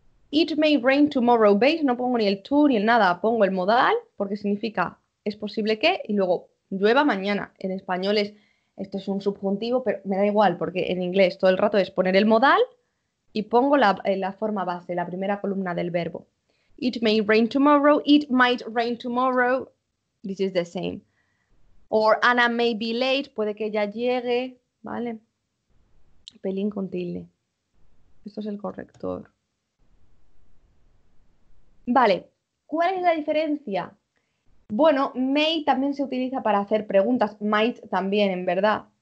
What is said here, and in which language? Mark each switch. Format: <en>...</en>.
<en>It may rain tomorrow.</en> <es>¿Veis? No pongo ni el to ni el nada. Pongo el modal porque significa es posible que y luego llueva mañana. En español es... Esto es un subjuntivo, pero me da igual, porque en inglés todo el rato es poner el modal y pongo la forma base, la primera columna del verbo.</es> <en>It may rain tomorrow, it might rain tomorrow, this is the same. Or Anna may be late,</en> <es>puede que ya llegue, ¿vale? Pelín con tilde. Esto es el corrector. Vale, ¿cuál es la diferencia? Bueno, may también se utiliza para hacer preguntas, might también, en verdad.</es>